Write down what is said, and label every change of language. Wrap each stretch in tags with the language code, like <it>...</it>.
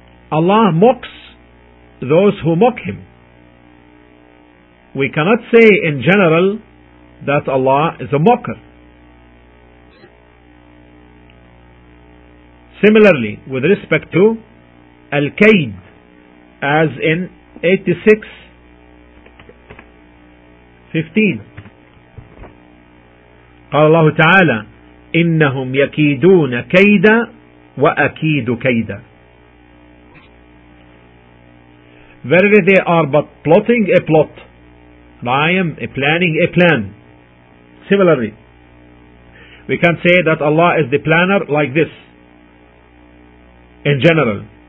<en>Allah mocks those who mock Him. We cannot say in general that Allah is a mocker. Similarly, with respect to Al-Kaid, as in 86:15.</en> <ar>قال الله تعالى إنهم يكيدون كيدا وأكيد كيدا.</ar> <en>Verily they are but plotting a plot. I am planning a plan. Similarly, we can say that Allah is the planner like this. In general.</en>